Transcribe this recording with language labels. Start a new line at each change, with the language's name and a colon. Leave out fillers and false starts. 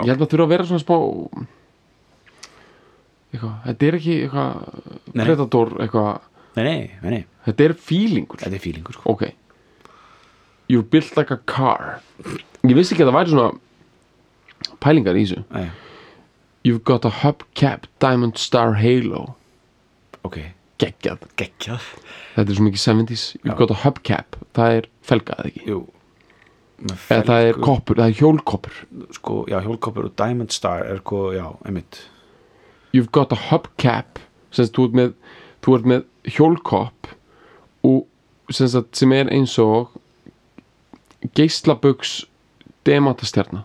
Icelandic: Ég held að þurfa að vera svona spá eitthvað Þetta er ekki eitthvað predator eitthvað nei. Þetta er feelingur Þetta er feelingur sko. Okay.
English: You're built like a car
Icelandic: Ég vissi ekki að það væri svona pælingar í þessu Nei
English: You've got a hubcap diamond star halo Ok
Icelandic: Geggjað Þetta er svo mikið 70s
English: You've got a hubcap
Icelandic: Það er felgað ekki Jú Eða það er koppur Það er hjólkoppur Sko, já, hjólkoppur og diamond star er sko, já, einmitt
English: You've got a hubcap
Icelandic: Sem þess að þú ert með hjólkopp Og sem þess að sem er eins og Geislabux demantastjarna